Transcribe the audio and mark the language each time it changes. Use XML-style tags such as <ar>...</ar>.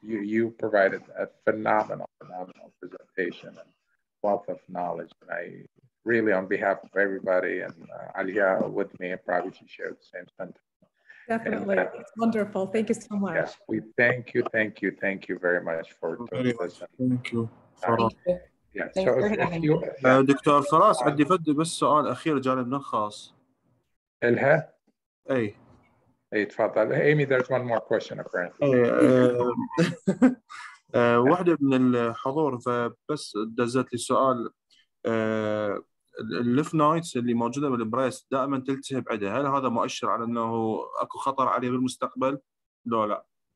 <en>You provided a phenomenal presentation and wealth of knowledge. And I really, on behalf of everybody, and Alia with me, and probably she shared the same sentiment. Definitely. It's wonderful. Thank you so much. Yes, we thank you very much for doing this. Thank you. Yeah.</en> <ar>So دكتور فراس عندي فدي بس سؤال اخير جانبنا الخاص الها اي</ar> <en>تفضل Amy there's one more question</en> <ar>apparently واحده من الحضور فبس دزت لي سؤال الليف نايتس اللي موجوده بالبريست دائما تلتهب عندها هل هذا مؤشر على انه اكو خطر عليه بالمستقبل لو لا</ar>